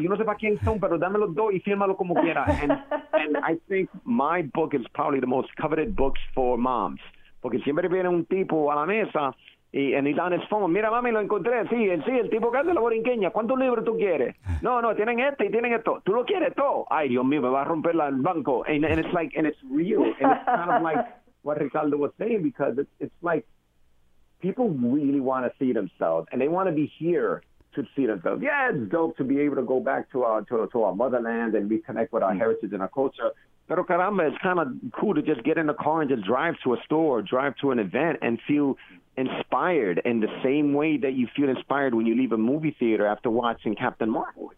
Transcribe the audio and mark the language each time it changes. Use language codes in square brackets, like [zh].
[es] Yo no sé para quién son, pero dame los dos y fírmalo como quiera. [en] And I think my book is probably the most coveted books for moms. [es] Porque siempre viene un tipo a la mesa, [en] and he's on his phone. [es] Mira, mami, lo encontré. Sí, el tipo que es de la Borinqueña. ¿Cuántos libros tú quieres? No, tienen este y tienen esto. ¿Tú lo quieres todo? Ay, Dios mío, me va a romper el banco. [en] And it's like, and it's real. And it's kind of like what Ricardo was saying, because it's like, people really want to see themselves, and they want to be here to see themselves. Yeah, it's dope to be able to go back to our motherland and reconnect with our heritage and our culture. [es] Pero caramba, [en] it's kind of cool to just get in the car and just drive to a store, drive to an event, and feel inspired in the same way that you feel inspired when you leave a movie theater after watching Captain Marvel.